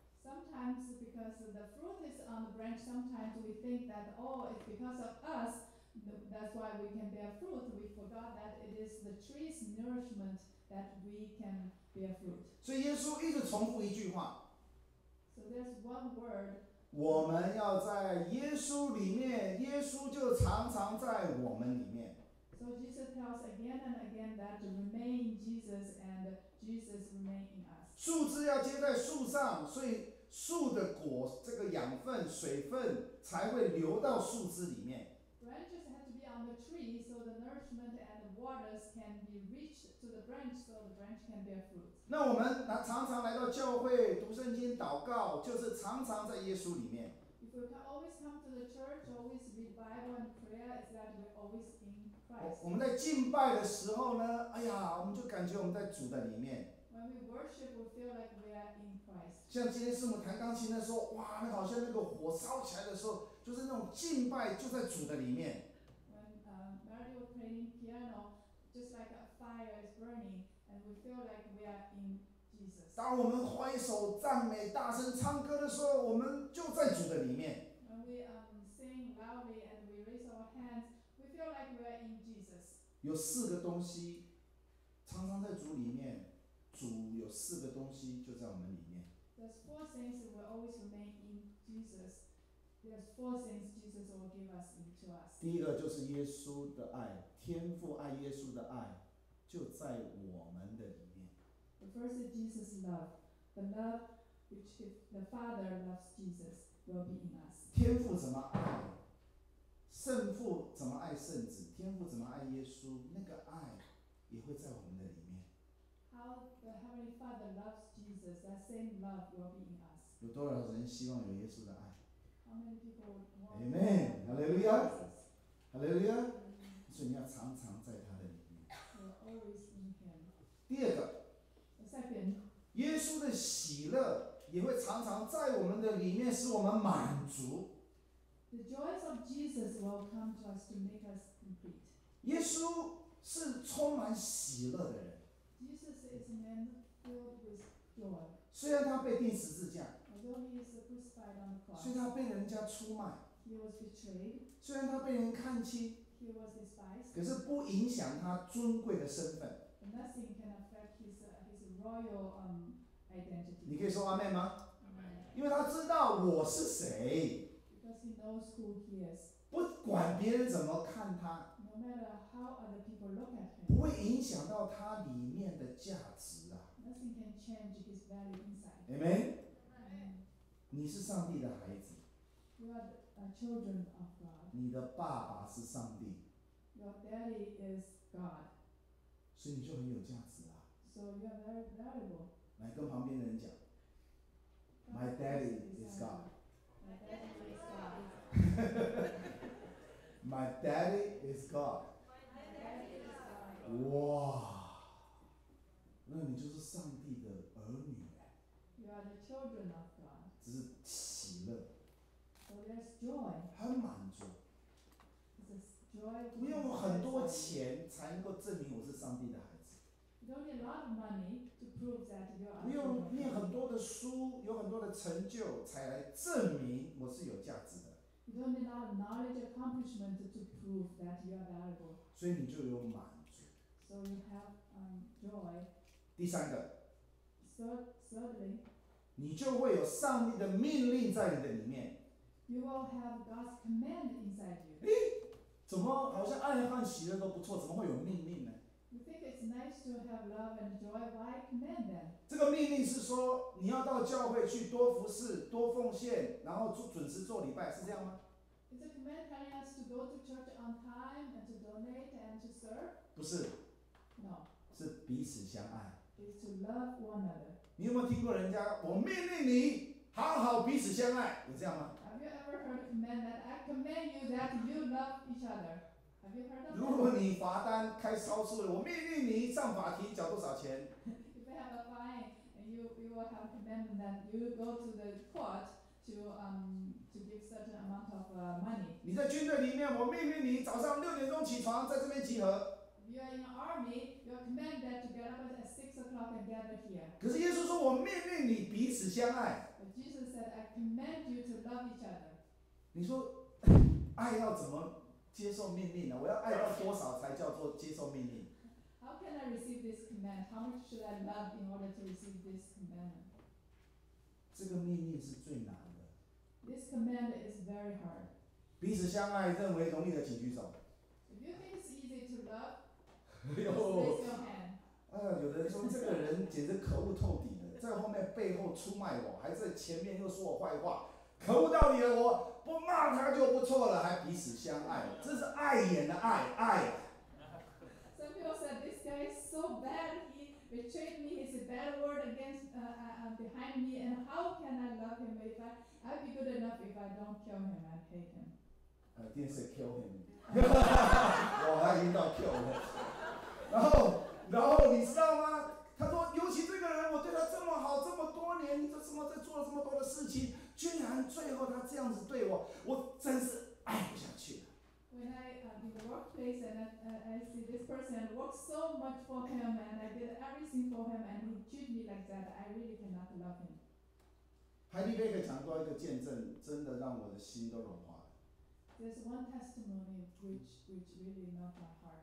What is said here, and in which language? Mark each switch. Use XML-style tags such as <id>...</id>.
<en>Sometimes because the fruit is on the branch, sometimes we think that, oh, it's because of us, that's why we can bear fruit. We forgot that it is the tree's nourishment that we can bear fruit. So Jesus</en> <zh>一直重复一句话。</zh> <en>So So there's one word.</en> <zh>我们要在耶稣里面，耶稣就常常在我们里面。</zh> <en>So Jesus tells again and again that to remain in Jesus and Jesus remain in us.</en> <zh>树枝要接在树上，所以树的果，这个养分、水分才会流到树枝里面。</zh> <en>Branches have to be on the tree so the nourishment and the waters can be reached to the branch so the branch can bear fruit.</en> <zh>那我们常常来到教会读圣经祷告，就是常常在耶稣里面。</zh> <en>If we can always come to the church, always read Bible and prayer, is that we're always in Christ.</en> <zh>我们在敬拜的时候呢，哎呀，我们就感觉我们在主的里面。</zh> <en>When we worship, we feel like we are in Christ.</en> <zh>像今天师母弹钢琴的时候，哇，那好像那个火烧起来的时候，就是那种敬拜就在主的里面。</zh> <en>When Mary was playing piano, just like a fire is burning, and we feel like we are in Jesus.</en> <zh>当我们挥手赞美、大声唱歌的时候，我们就在主的里面。</zh> <en>When we sing loudly and we raise our hands, we feel like we are in Jesus.</en> <zh>有四个东西，常常在主里面。主有四个东西就在我们里面。</zh> <en>There's four things that will always remain in Jesus. There's four things Jesus will give us into us.</en> <zh>第一个就是耶稣的爱，天父爱耶稣的爱就在我们的里面。</zh> <en>The first is Jesus' love, the love which the Father loves Jesus will be in us.</en> <zh>天父怎么爱，圣父怎么爱圣子，天父怎么爱耶稣，那个爱也会在我们的里面。</zh> <en>How the Heavenly Father loves Jesus, that same love will be in us.</en> <zh>有多少人希望有耶稣的爱？</zh> <en>How many people want Jesus? Amen. Hallelujah. Hallelujah.</en> <zh>所以你要常常在他的里面。</zh> <en>We're always in Him.</en> <zh>第二个。</zh> <en>The second.</en> <zh>耶稣的喜乐也会常常在我们的里面，使我们满足。</zh> <en>The joys of Jesus will come to us to make us complete.</en> <zh>耶稣是充满喜乐的人。</zh> <en>Jesus is a man filled with joy.</en> <zh>虽然他被钉十字架，</zh> <en>although he is crucified on the cross,</en> <zh>虽然他被人家出卖，</zh> <en>he was betrayed,</en> <zh>虽然他被人看轻，</zh> <en>he was despised,</en> <zh>可是不影响他尊贵的身份。</zh> <en>And nothing can affect his royal identity.</en> <zh>你可以说阿门吗？</zh> <en>Amen.</en> <zh>因为他知道我是谁。</zh> <en>Because he knows who he is.</en> <zh>不管别人怎么看他。</zh> <en>No matter how other people look at him.</en> <zh>不会影响到他里面的价值啊。</zh> <en>Nothing can change his value inside. Amen. Amen.</en> <zh>你是上帝的孩子。</zh> <en>You are the children of God.</en> <zh>你的爸爸是上帝。</zh> <en>Your daddy is God.</en> <zh>所以你就很有价值啊。</zh> <en>So you are very valuable.</en> <zh>来跟旁边的人讲。</zh> <en>My daddy is God. My daddy is God. My daddy is God. My daddy is God.</en> <zh>哇，那你就是上帝的儿女。</zh> <en>You are the children of God.</en> <zh>只是喜乐。</zh> <en>So there's joy.</en> <zh>很满足。</zh> <en>There's joy.</en> <zh>不用很多钱才能够证明我是上帝的孩子。</zh> <en>You don't need a lot of money to prove that you are.</en> <zh>不用念很多的书，有很多的成就才来证明我是有价值的。</zh> <en>You don't need a lot of knowledge accomplishment to prove that you are valuable.</en> <zh>所以你就有满足。</zh> <en>So you have joy.</en> <zh>第三个。</zh> <en>Thirdly.</en> <zh>你就会有上帝的命令在你的里面。</zh> <en>You will have God's command inside you.</en> <zh>咦，怎么好像爱和喜乐都不错，怎么会有命令呢？</zh> <en>You think it's nice to have love and joy, why command them?</en> <zh>这个命令是说你要到教会去多服事、多奉献，然后准时做礼拜，是这样吗？</zh> <en>It's a command telling us to go to church on time and to donate and to serve?</en> <zh>不是。</zh> <en>No.</en> <zh>是彼此相爱。</zh> <en>It's to love one another.</en> <zh>你有没有听过人家，我命令你好好彼此相爱，有这样吗？</zh> <en>Have you ever heard a command that I command you that you love each other?</en> <zh>如果你罚单开超速了，我命令你上法庭缴多少钱。</zh> <en>If you have a fine, you will have command that you go to the court to give certain amount of money.</en> <zh>你在军队里面，我命令你早上六点钟起床，在这边集合。</zh> <en>If you are in an army, you are commanded to get up at 6 o'clock and gather here.</en> <zh>可是耶稣说，我命令你彼此相爱。</zh> <en>But Jesus said, I command you to love each other.</en> <zh>你说，爱要怎么？接受命令呢？我要爱到多少才叫做接受命令</zh> <en>？How can I receive this command? How much should I love in order to receive this command?</en> <zh>这个命令是最难的。</zh> <en>This command is very hard.</en> <zh>彼此相爱认为容易的请举手。</zh> <en>If you think it's easy to love, just raise your hand.</en> <zh>有的人说这个人简直可恶透顶了，在后面背后出卖我，还在前面又说我坏话，可恶到底了，我不骂他就不错了，还彼此相爱，这是碍眼的爱爱。</zh> <en>Some people said this guy is so bad. He betrayed me. He's a bad word against behind me. And how can I love him if I'll be good enough if I don't kill him? I hate him. I didn't say kill him.</en> <zh>我还引导 kill 了。然后你知道吗？他说，尤其这个人，我对他这么好这么多年，你怎么在做了这么多的事情，居然最后他这样子对我，我真是爱不下去了。</zh> <en>When I in the workplace and I see this person work so much for him and I did everything for him and he treat me like that, I really cannot love him.</en> <zh>Heidi Baker 讲过一个见证，真的让我的心都融化了。</zh> <en>There's one testimony which really melted my heart.</en>